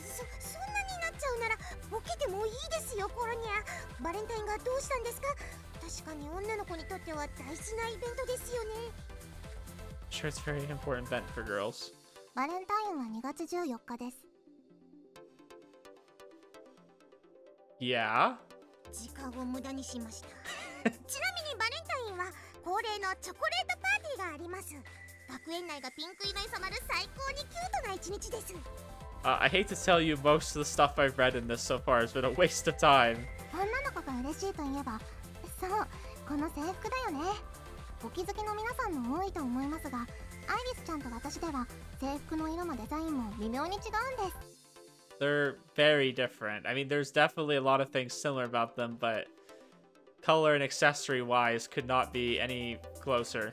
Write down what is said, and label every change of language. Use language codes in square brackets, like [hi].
[ja] そんなになっちゃうならボケてもいいですよ、コロニア。バレンタインがどうしたんですか？確かに女の子にとっては大事なイベントですよね。 [en] Sure, it's a very important event for girls. [ja] バレンタインは2月14日です。 [en] Yeah? [ja] 時間を無駄にしました。ちなみにバレンタインは恒例のチョコレートパーティーがあります。学園内がピンク色に染まる最高にキュートな一日です。 [en] I hate to tell you most of the stuff I've read in this so far has been a waste of time. [ja] 女の子が嬉しいといえば、そう、この制服だよね。お気づきの皆さんも多いと思いますが、アイリスちゃんと私では制服の色もデザインも微妙に違うんです。 [en] They're very different. I mean, there's definitely a lot of things similar about them, but color and accessory wise could not be any closer.